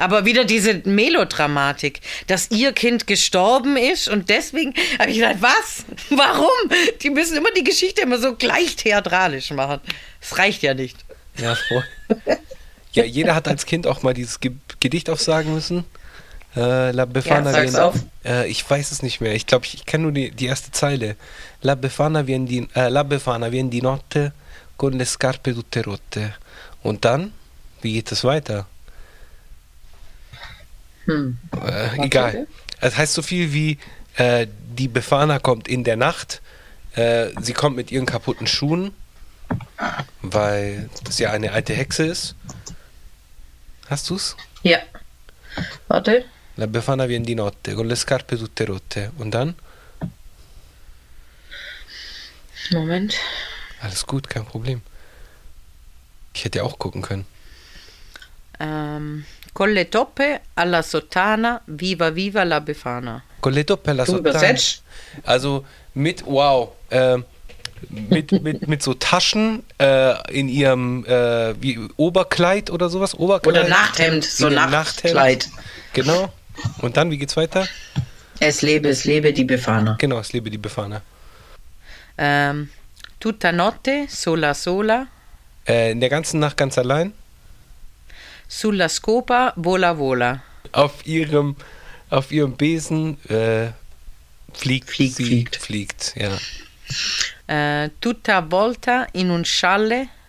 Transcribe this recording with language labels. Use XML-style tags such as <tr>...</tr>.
<de>Aber wieder diese Melodramatik, dass ihr Kind gestorben ist und deswegen... habe ich gedacht, was? Warum? Die müssen immer die Geschichte immer so gleich theatralisch machen. Das reicht ja nicht. Ja, ja, jeder hat als Kind auch mal dieses Gedicht aufsagen müssen.</de> <it>La Befana,</it> <de>sag's auf. Ich weiß es nicht mehr. Ich glaube, ich kenne nur die erste Zeile.</de> <it>La Befana vien di notte con le scarpe tutte rotte.</it> <de>Und dann, wie geht es weiter? Egal. Es heißt so viel wie, die Befana kommt in der Nacht. Sie kommt mit ihren kaputten Schuhen, weil das ja eine alte Hexe ist. Hast du's? Ja. Warte.</de> <it>La Befana viene di notte, con le scarpe tutte rotte.</it> <de>Und dann? Moment. Alles gut, kein Problem. Ich hätte auch gucken können.</de> <it>Con le toppe alla sottana, viva viva la Befana. Con le toppe alla sottana.</it> <de>Also mit, wow, mit so Taschen in ihrem wie Oberkleid oder sowas. Oberkleid. Oder Nachthemd, so Nachthemd. Genau. Und dann, wie geht's weiter? Es lebe die Befana. Genau, es lebe die Befana.</de> <it>Tutta notte, sola sola.</it> <de>In der ganzen Nacht ganz allein.</de> <it>Sulla scopa, vola vola.</it> <de>Auf ihrem Besen fliegt, ja.</de> <it>Tutta volta in un scialle.</it>